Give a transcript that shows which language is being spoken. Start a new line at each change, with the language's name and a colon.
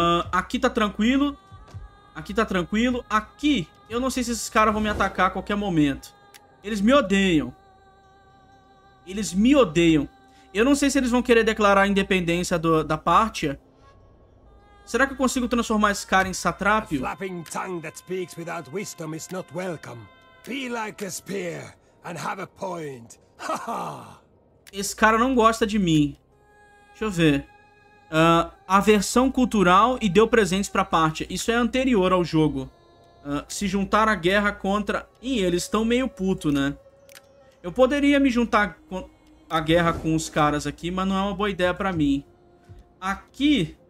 Portuguese: Aqui tá tranquilo. Aqui tá tranquilo. Aqui, eu não sei se esses caras vão me atacar a qualquer momento. Eles me odeiam. Eles me odeiam. Eu não sei se eles vão querer declarar a independência da Pártia. Será que eu consigo transformar esse cara em satrápio?
English: A flapping tongue that speaks without wisdom is not welcome. Be like a spear. And have a point.
Portuguese: Esse cara não gosta de mim. Deixa eu ver. Aversão cultural e deu presentes pra parte. Isso é anterior ao jogo. Se juntar à guerra contra... Ih, eles estão meio puto, né? Eu poderia me juntar à guerra com os caras aqui, mas não é uma boa ideia pra mim. Aqui...